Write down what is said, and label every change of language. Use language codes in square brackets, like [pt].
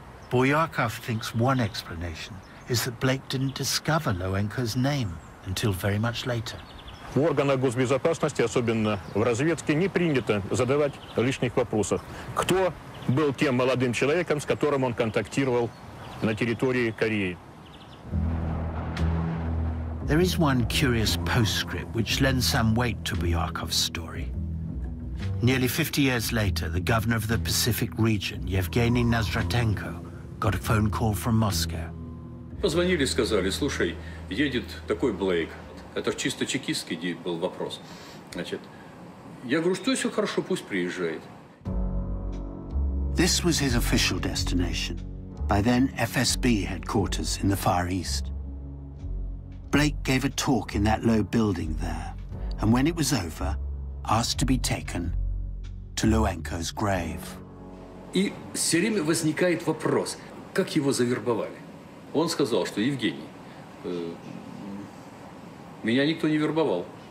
[en] Boyarkov thinks one explanation is that Blake didn't discover Luenko's name until very much later. [ru] В органах госбезопасности, особенно в разведке, не принято задавать лишних вопросов. Кто был тем молодым человеком, с которым он контактировал на территории Кореи? [en] There is one curious postscript which lends some weight to Boyarkov's story. Nearly 50 years later, the governor of the Pacific region, Yevgeny Nazratenko, got a phone call from Moscow. [ru] Позвонили, сказали, слушай, едет такой Блейк. Это чисто чекистский был вопрос. Значит, я говорю, что все хорошо, пусть приезжает. [en] This was his official destination, by then FSB headquarters in the Far East. Blake gave a talk in that low building there, and when it was over, asked to be taken to Luenko's grave. [ru] И все время возникает вопрос, как его завербовали? Он сказал, что Евгений, меня никто не вербовал.